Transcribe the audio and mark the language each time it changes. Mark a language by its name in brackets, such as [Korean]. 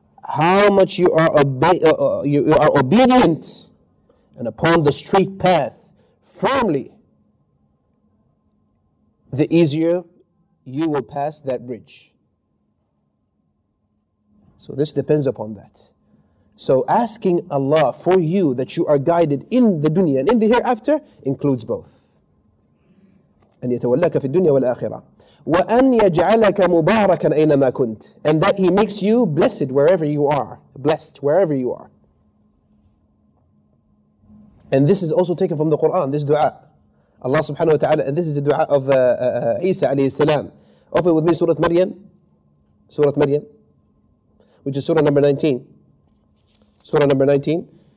[English] How much you are obedient and upon the straight path, firmly, the easier you will pass that bridge. So this depends upon that. So asking Allah for you that you are guided in the dunya and in the hereafter includes both. [Arabic] أن يتولك في الدنيا والآخرة وأن يجعلك مباركا أينما كنت. [English] And that he makes you blessed wherever you are. Blessed wherever you are. And this is also taken from the Quran, this dua. Allah subhanahu wa ta'ala, and this is the dua of Isa alayhi salam. Open with me Surah Maryam. Surah Maryam, which is Surah number 19. Surah number 19.